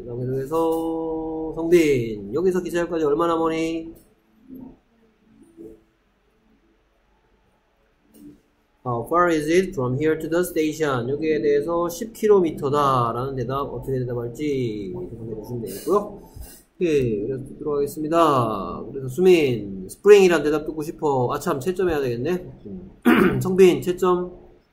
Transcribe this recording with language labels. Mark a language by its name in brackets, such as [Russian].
[Korean] 그래서 성빈 여기서 기차역까지 얼마나 머니? [English] How far is it from here to the station? [Korean] 여기에 대해서 10km다 라는 대답 어떻게 대답할지 적용해 주시면 되겠고요. 오케이, 그래서 듣도록 하겠습니다. 그래서 수민 스프링이란 대답 듣고 싶어. 아 참 채점 해야 되겠네. 성빈 채점.